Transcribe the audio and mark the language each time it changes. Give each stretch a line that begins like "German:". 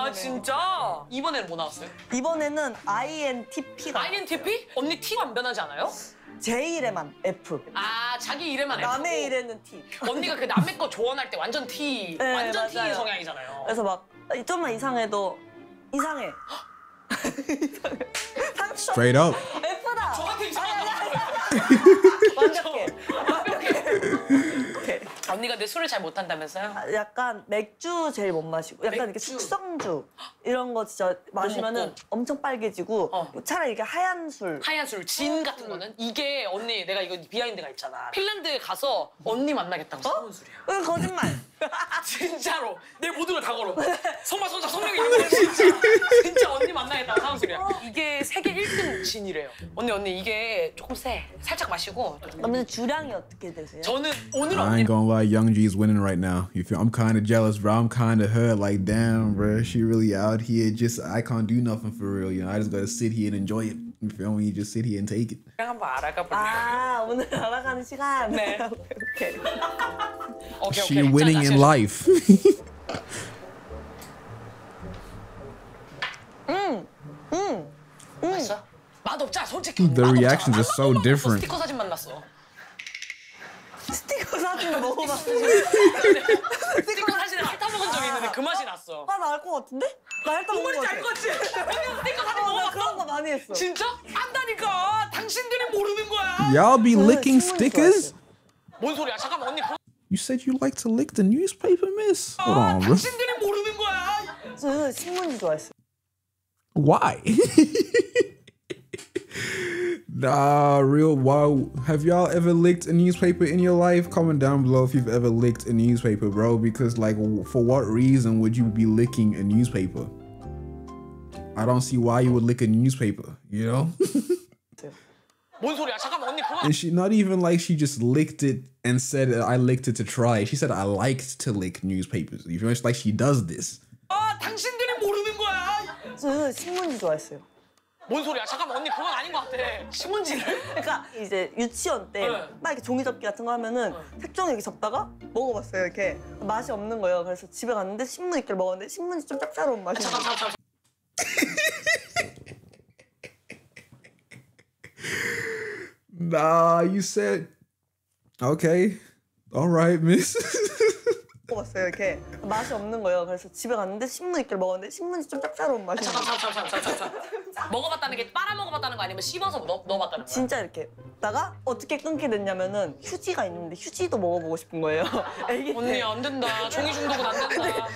Korean: 아 진짜? 이번에는 뭐 나왔어요? 이번에는 INTP가 INTP? 나왔어요. 언니 T 안 변하지 않아요? 제 이름만 F. 아 자기 이름만 남의 F. 남의 이름은 T. 언니가 그 남의 거 조언할 때 완전 T. 네, 완전 맞아요. T 성향이잖아요. 그래서 막 좀만 이상해도 이상해. 이상해.
English: Straight up.
Korean: F다. 저한테 이상한 거 같아요. 완벽해. 언니가 근데 술을 잘 못한다면서요? 아, 약간 맥주 제일 못 마시고 약간 맥주. 이렇게 숙성주 이런 거 진짜 마시면은 엄청 빨개지고 어. 차라리 이게 하얀 술. 하얀 술, 진 같은 거는? 이게 언니 내가 이거 비하인드가 있잖아. 핀란드 가서 언니 만나겠다고 사온 어? 술이야. 응, 거짓말. 진짜로 내 모든 걸 다 걸어. 성마 손자 성명이 있는 거야. 진짜 언니 만나겠다고 사온 술이야. 이게 세계 1등 진이래요. 언니 이게 조금 세. 살짝 마시고. 근데 주량이 어떻게 되세요? 저는 오늘 언니.
English: I ain't gonna lie, Young G is winning right now. You feel? I'm kind of jealous, bro. I'm kind of hurt. Like damn, bro, she really out here. Just I can't do nothing for real. You know, I just gotta sit here and enjoy it. You feel me? Just sit here and take it.
Korean: 그냥 한번 알아가 볼래요? 아, 오늘 알아가는 시간. 네. 오케이. 오케이.
English: She winning 자, in 자, life.
Korean: 맛있어? 맛없자, 솔직히.
English: The reactions are so different.
Korean: 스티커 사진만 났어. 스티커 사진을 먹어봤어. 스티커 사진을 핥아먹은 적이 있는데 그 맛이 났어. 아, 나 알 것 같은데? 나 핥아먹은 것 같아. 뭔 말인지 알 것 같지? 언니 스티커 사진 먹어봤어? 그런 거 많이 했어. 진짜? 안다니까! 당신들이 모르는 거야!
English: Y'all be licking stickers?
Korean: 뭔 소리야? 잠깐만 언니 그런...
English: You said you like to lick the newspaper, miss? Hold on,
Korean: 당신들이 모르는 거야! 저는 신문지 좋아했어.
English: Why? Nah, real, wow. Have y'all ever licked a newspaper in your life? Comment down below if you've ever licked a newspaper, bro. Because, like, for what reason would you be licking a newspaper? I don't see why you would lick a newspaper, you know?
Korean: 뭔 소리야? 잠깐만, 언니, 그만!
English: And she, not even like she just licked it and said, I licked it to try. She said, I liked to lick newspapers. You feel me? Like, she does this.
Korean: 아, 당신들이 모르는 거야! 저는 신문지 좋아했어요. 뭔 소리야? 잠깐만 언니 그건 아닌 것 같아. 신문지를? 그러니까 이제 유치원 때 막 이렇게 종이접기 같은 거 하면은 색종이 이렇게 접다가 먹어봤어요. 이렇게 맛이 없는 거예요. 그래서 집에 갔는데 신문 이렇게 먹었는데 신문지 좀 짭짤한 맛이. 아, 잠깐.
English: 나 you said okay, all right, miss.
Korean: 먹었어요 이렇게 맛이 없는 거예요. 그래서 집에 갔는데 신문 이렇게 먹었는데 신문이 좀 짭짤한 맛이. 잠깐. 먹어봤다는 게 빨아 먹어봤다는 거 아니면 씹어서 넣어봤다는 거야? 진짜 이렇게 다가 어떻게 끊게 됐냐면은 휴지가 있는데 휴지도 먹어보고 싶은 거예요. 언니 안 된다. 종이 중독은 안 된다.